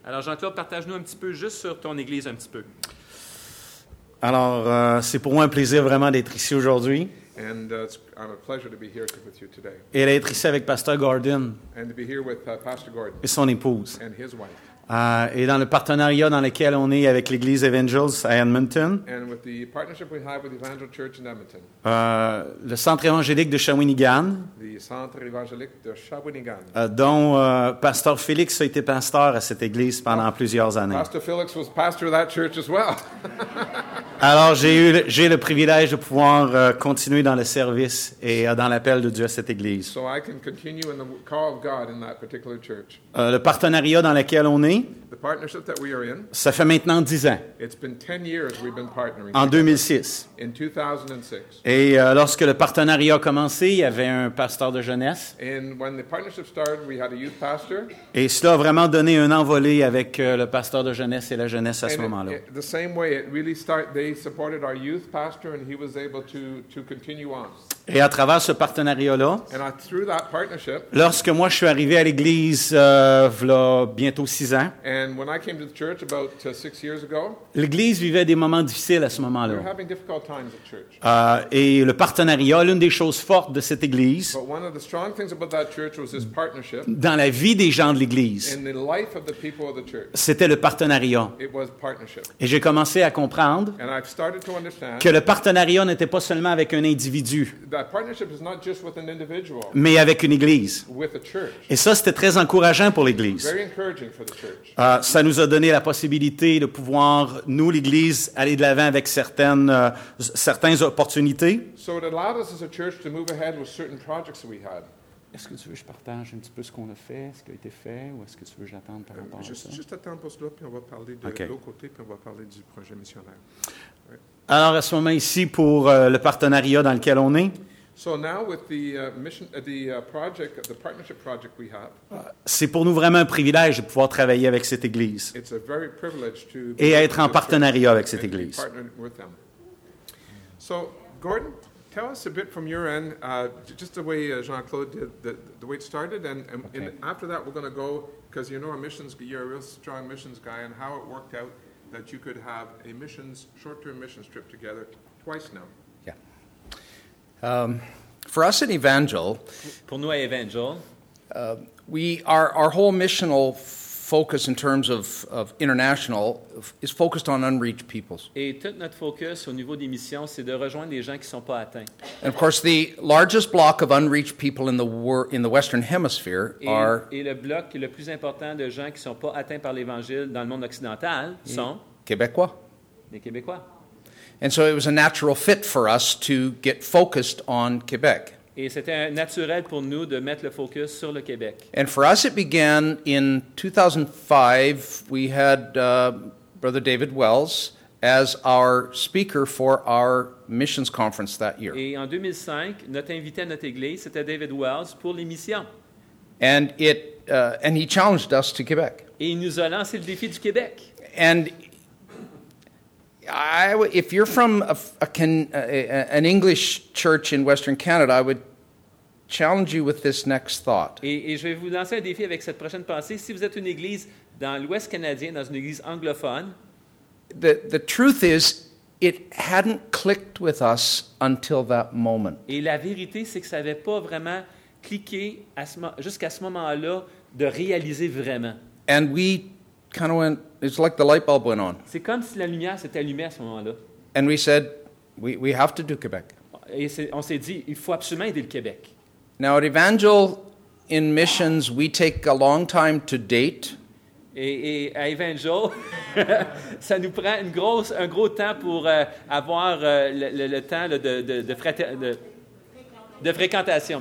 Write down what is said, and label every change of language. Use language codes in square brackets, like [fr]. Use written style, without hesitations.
[fr] Alors, Jean-Claude, partage-nous un petit peu juste sur ton église un petit peu. Alors, c'est pour moi un plaisir vraiment d'être ici aujourd'hui. [en] And I'm a pleasure to be here with you today. [fr] Et d'être ici avec Pasteur Gordon. [en] And to be here with Pastor Gordon. [fr] Et son épouse. [en] And his wife. [fr] Et dans le partenariat dans lequel on est avec l'Église Evangels à Edmonton. [en] And with the partnership we have with the Evangel Church in Edmonton. [fr] Le centre évangélique de Shawinigan. [en] The centre évangélique de Shawinigan. [fr] Dont Pasteur Félix a été pasteur à cette église pendant plusieurs années. [en] Pastor Felix was pastor of that church as well. [fr] Alors j'ai le privilège de pouvoir continuer dans le service et dans l'appel de Dieu à cette église. [en] So I can continue in the call of God in that particular church. [fr] Le partenariat dans lequel on est, [en] the partnership that we are in, [fr] ça fait maintenant 10 ans. [en] It's been 10 years we've been partnering. [fr] En 2006. [en] In 2006. [fr] Et lorsque le partenariat a commencé, il y avait un pasteur de jeunesse. [en] And when the partnership started, we had a youth pastor. [fr] Et cela a vraiment donné un envolé avec le pasteur de jeunesse et la jeunesse à ce moment-là. [en] The same way it really started, they supported our youth pastor and he was able to continue on. [fr] Et à travers ce partenariat-là, [en] and through that partnership, [fr] lorsque moi je suis arrivé à l'église voilà bientôt 6 ans, [en] and when I came to the church about 6 years ago, [fr] l'église vivait des moments difficiles à ce moment-là. [en] They were having difficult times at church. [fr] Et le partenariat, l'une des choses fortes de cette église, [en] but one of the strong things about that church was this partnership, [fr] dans la vie des gens de l'église, [en] in the life of the people of the church, [fr] c'était le partenariat. [en] It was partnership. [fr] Et j'ai commencé à comprendre, [en] and I've started to understand, [fr] que le partenariat n'était pas seulement avec un individu, [en] that partnership is not just with an individual, [fr] mais avec une église. [en] With a church. [fr] Et ça, c'était très encourageant pour l'église. [en] Very encouraging for the church. [fr] Ça nous a donné la possibilité de pouvoir, nous, l'église, aller de l'avant avec certaines opportunités. [en] So it allowed us as a church to move ahead with certain projects we had. [fr] Est-ce que tu veux que je partage un petit peu ce qu'on a fait, ce qui a été fait, ou est-ce que tu veux que j'attende par rapport à ça? Juste attendre pour cela, puis on va parler de l'autre côté, puis on va parler du projet missionnaire. Alors, à ce moment ici, pour le partenariat dans lequel on est, [en] so now with the mission, the partnership project we have, [fr] c'est pour nous vraiment un privilège de pouvoir travailler avec cette église [en] it's a very privilege to be [fr] et être en partenariat avec cette église. [en] So, Gordon, tell us a bit from your end, just the way Jean-Claude did, the way it started, and, okay. And after that we're going to go, because you know our missions, you're a real strong missions guy, and how it worked out that you could have a missions, short-term missions trip together twice now. Yeah. For us at Evangel, [fr] pour nous à Evangel, [en] our whole missional focus in terms of international is focused on unreached peoples. [fr] Et tout notre focus au niveau des missions, c'est de rejoindre les gens qui sont pas atteints. [en] And of course, the largest block of unreached people in the Western Hemisphere [fr] Et le bloc le plus important de gens qui sont pas atteints par l'Évangile dans le monde occidental sont Québécois. Les Québécois. [en] And so it was a natural fit for us to get focused on Québec. [fr] Et c'était naturel pour nous de mettre le focus sur le Québec. [en] And for us, it began in 2005. We had Brother David Wells as our speaker for our missions conference that year. [fr] Et en 2005, notre invité à notre église, c'était David Wells pour les missions. [en] And he challenged us to Québec. [fr] Et il nous a lancé le défi du Québec. [en] And if you're from an English church in Western Canada, I would challenge you with this next thought. [fr] Et je vais vous lancer un défi avec cette prochaine pensée. Si vous êtes une église dans l'Ouest canadien, dans une église anglophone, [en] the truth is, it hadn't clicked with us until that moment. [fr] Et la vérité, c'est que ça n'avait pas vraiment cliqué jusqu'à ce moment-là de réaliser vraiment. [en] And we kind of went, it's like the light bulb went on. [fr] C'est comme si la lumière s'était allumée à ce moment-là. [en] And we said, we have to do Quebec. [fr] Et on s'est dit, il faut absolument aider le Québec. [en] Now at Evangel, in missions, we take a long time to date. [fr] Et à Evangel, ça nous prend un gros temps pour avoir le temps là, de fréquentation.